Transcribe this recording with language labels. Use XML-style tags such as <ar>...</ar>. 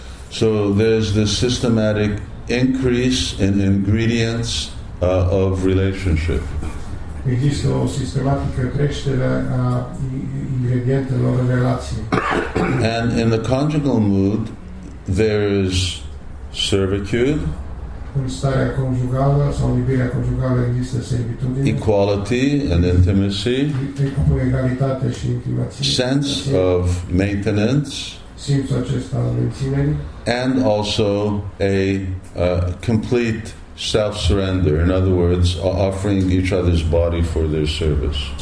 <en>So there's this systematic increase in ingredients of relationship.</en> <ro>Există o sistematică creștere a ingredientelor în relație.</ro> <en>And in the conjugal mood, there is servitude.</en> <ro>În starea conjugală sau iubirea conjugală există servitudine.</ro> <en>Equality and intimacy.</en> <ro>Egalitate și intimitate.</ro> <en>Sense of maintenance.</en> <ro>Simțul acesta al menținerii.</ro> <en>And also a complete self-surrender, in other words, offering each other's body for their service.</en>